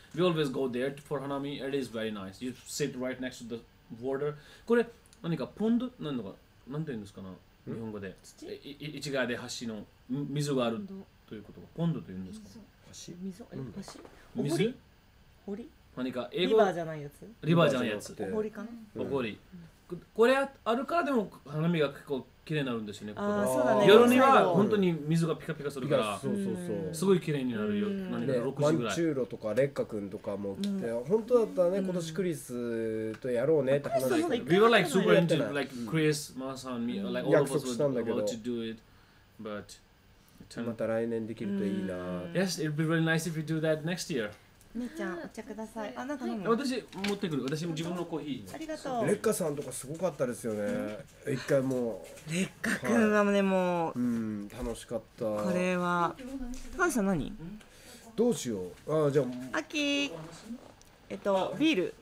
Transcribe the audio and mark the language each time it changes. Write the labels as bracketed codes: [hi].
[en] We always go there for hanami. It is very nice. You sit right next to the water. [ja] これ何かポンド何だかなんていうんですかな。日本語で一側で橋の水があるということはポンドというんですか。橋水橋水堀堀何か英語リバーじゃないやつリバーじゃないやつお堀かな、うん、お堀、うん、これあるからでも花見が結構綺麗になるんですよね。ここあそうだね。夜には本当に水がピカピカするからそうそうそうすごい綺麗になるよ。何か6時ぐらいマンチューロとかレッカ君とかも来て、うん、本当だったらね今年クリスとやろうねって話して、う [en] ん、We were like super into like Chris, Masa and me like all of us would want to do it but [ja] また来年できるといいな、 [en] うん、Yes, it'd be really nice if you do that next year。 [ja] みーちゃん、お茶ください。あ、なんか飲む。私、持ってくる。私も自分のコーヒー。ありがとう。レッカさんとかすごかったですよね。一回もう。レッカくんはね、もう。楽しかった。これは。高橋さん、何？どうしよう。あ、じゃあ。秋。ビール